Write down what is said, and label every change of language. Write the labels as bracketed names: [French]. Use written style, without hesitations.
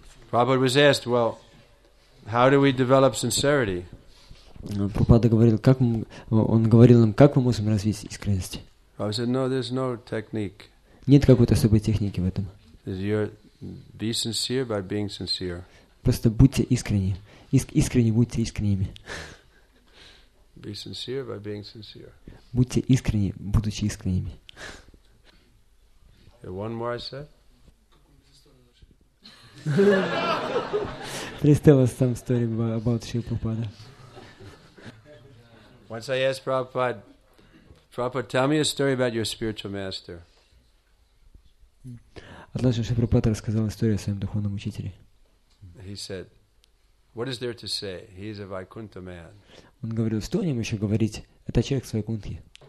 [English] Prabhupada was asked, well, how do we develop sincerity? [Russian] Prabhupada говорил, как он говорил нам, как мы можем развить искренность? [English] Prabhupada said, no, there's no technique. [Russian] Нет какой-то особой техники в этом. [English] Be sincere by being sincere. [Russian] Просто будьте искренни. Искренне будьте искренними. [English] Be sincere by being sincere. [Russian] Будьте искренни, будучи искренними. [English] One more I said. Please tell us some story about Shri Prabhupada. Once I asked Prabhupada, tell me a story about your spiritual master. [Russian] Однажды Шри Прабхупада рассказал историю о своем духовном учителе. [English] He said, "What is there to say? He is a Vaikuntha man." [Russian] Он говорил, что о нем еще говорить? Это человек с Вайкунтхи.